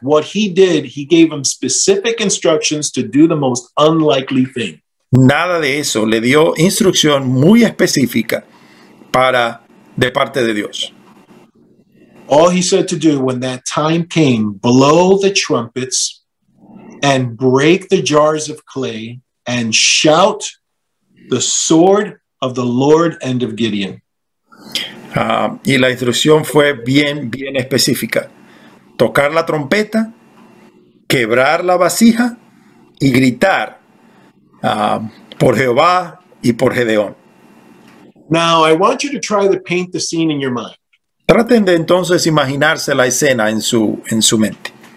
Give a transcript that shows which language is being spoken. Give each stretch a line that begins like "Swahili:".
English: What he did, he gave them specific instructions to do the most unlikely thing.
Spanish: Nada de eso. Le dio instrucción muy específica de parte de Dios.
English: All he said to do when that time came, blow the trumpets and break the jars of clay and shout the sword of the Lord and of Gideon.
Spanish: Y la instrucción fue bien, bien específica. Tocar la trompeta, quebrar la vasija y gritar. Por Jehová y por Gedeón.
English: Now I want you to try to paint the scene in your mind.
Spanish: Traten de entonces imaginarse la escena en su mente.